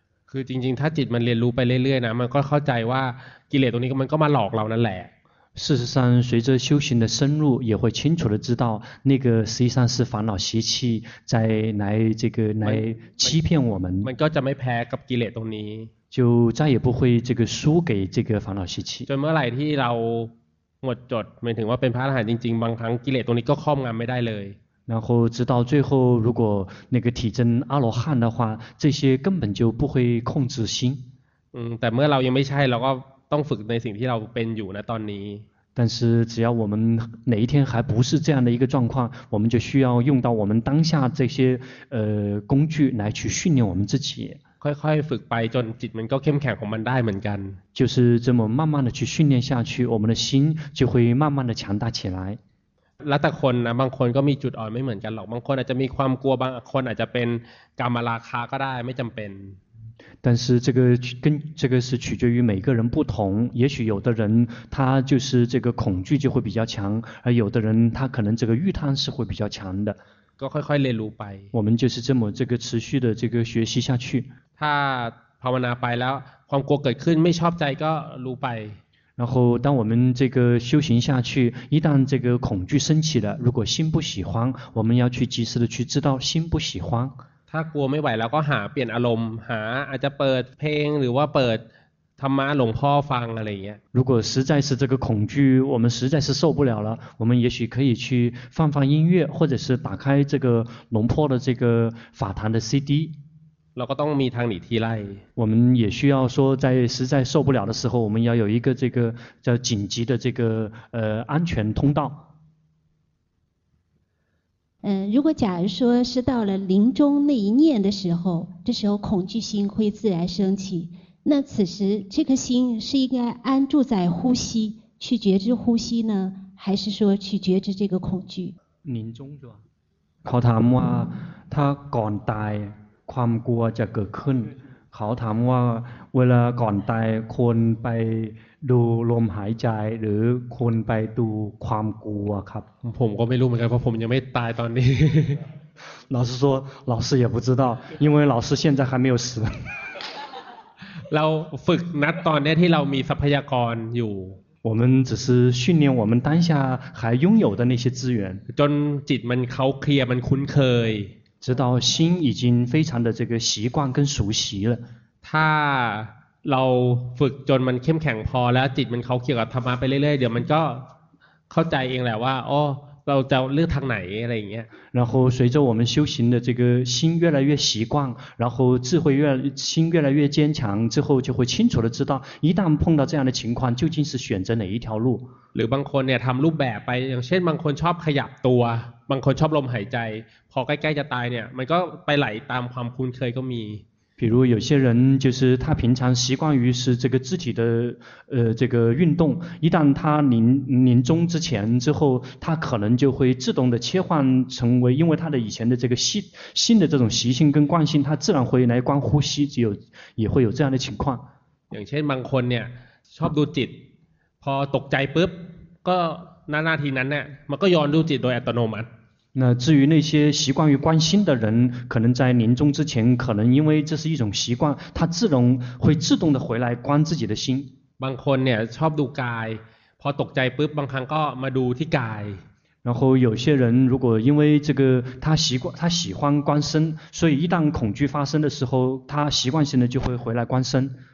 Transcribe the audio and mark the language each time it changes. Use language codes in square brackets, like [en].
[th] คือจริงๆถ้าจิตมันเรียนรู้ไปเรื่อยๆนะมันก็เข้าใจว่ากิเลสตรงนี้มันก็มาหลอกเรานั่นแหละ [zh] 事实上随着修行的深入也会清楚的知道那个实际上是烦恼习气在来这个来欺骗我们 [th] มันก็จะไม่แพ้กับกิเลสตรงนี้ [zh] 就再也不会这个输给这个烦恼习气 [th] จนเมื่อไหร่ที่เราหมดจดหมายถึงว่าเป็นพระอรหันต์จริงๆบางครั้งกิเลสตรงนี้ก็ครอบงำไม่ได้เลย [zh] 然后直到最后如果那个体证阿罗汉的话这些根本就不会控制心但 [th] เมื่อเรายังไม่ใช่เราก็ต้องฝึกในสิ่งที่เราเป็นอยู่นะตอนนี้ [zh] 但是只要我们哪一天还不是这样的一个状况我们就需要用到我们当下这些工具来去训练我们自己 [th] ค่อยๆฝึกไปจนจิตมันก็เข้มแข็งของมันได้เหมือนกัน [zh] 就是这么慢慢的去训练下去我们的心就会慢慢的强大起来 [th] แล้วแต่คนนะบางคนก็มีจุดอ่อนไม่เหมือนกันหรอกบางคนอาจจะมีความกลัวบางคนอาจจะเป็นกามราคะก็ได้ไม่จำเป็น [zh] 但是这个跟这个是取决于每个人不同也许有的人他就是这个恐惧就会比较强而有的人他可能这个欲贪是会比较强的 [th] ก็ค่อยๆเรียนรู้ไป [zh] 我们就是这么这个持续的这个学习下去 [th] ถ้าภาวนาไปแล้วความกลัวเกิดขึ้นไม่ชอบใจก็รู้ไป [zh] 然后当我们这个修行下去一旦这个恐惧升起了如果心不喜欢我们要去及时的去知道心不喜欢 [th] ถ้ากลัวไม่ไหวแล้วก็หาเปลี่ยนอารมณ์หาอาจจะเปิดเพลงหรือว่าเปิดธรรมะหลวงพ่อฟังอะไรอย่างเงี้ย [zh] 如果实在是这个恐惧我们实在是受不了了我们也许可以去放音乐或者是打开这个龙坡的这个法坛的 CD [th] เราก็ต้องมีทางหนีทีไล่ [zh] 我们也需要说在实在受不了的时候我们要有一个这个叫紧急的这个安全通道如果假如说是到了临终那一念的时候这时候恐惧心会自然升起那此时这颗心是应该安住在呼吸去觉知呼吸呢还是说去觉知这个恐惧临终是吧 [th] เขาถามว่าถ้าก่อนตายความกลัวจะเกิดขึ้นเขาถามว่าเวลาก่อนตายควรไปดูลมหายใจหรือควรไปดูความกลัวครับ ผมก็ไม่รู้เหมือนกันเพราะผมยังไม่ตายตอนนี้ [zh] 老师说老师也不知道因为老师现在还没有死 [th] เราฝึกนัดตอนนี้ที่เรามีทรัพยากรอยู่ [zh] 我们只是训练我们当下还拥有的那些资源 [th] จนจิตมันเขาเคลียร์มันคุ้นเคย [zh] 直到心已经非常的这个习惯跟熟悉了 [th] ถ้าเราฝึกจนมันเข้มแข็งพอแล้วจิตมันเข้าเกี่ยวกับธรรมะไปเรื่อยๆเดี๋ยวมันก็เข้าใจเองแหละว่าอ้อ เราจะเลือกทางไหนอะไรอย่างเงี้ย [zh] 然后随着我们修行的这个心越来越习惯然后智慧越心越来越坚强之后就会清楚的知道一旦碰到这样的情况究竟是选择哪一条路 [th] หรือบางคนเนี่ยทำรูปแบบไปอย่างเช่นบางคนชอบขยับตัวบางคนชอบลมหายใจพอใกล้ๆจะตายเนี่ยมันก็ไปไหลตามความคุ้นเคยก็มี [zh] 比如有些人就是他平常习惯于是这个肢体的这个运动一旦他临终之前之后他可能就会自动的切换成为因为他的以前的这个新的这种习性跟惯性他自然会来观呼吸也会有这样的情况 [th] อย่างเช่นบางคนเนี่ยชอบดูจิตพอตกใจปุ๊บก็นาทีนั้นเนี่ยมันก็ย้อนดูจิตโดยอัตโนมัติ [zh] 那至于那些习惯于观心的人可能在临终之前可能因为这是一种习惯他自然会自动的回来观自己的心 [th] บางคนเนี่ยชอบดูกายพอตกใจปุ๊บบางครั้งก็มาดูที่กาย [zh] 然后有些人如果因为这个他喜欢观身所以一旦恐惧发生的时候他习惯性的就会回来观身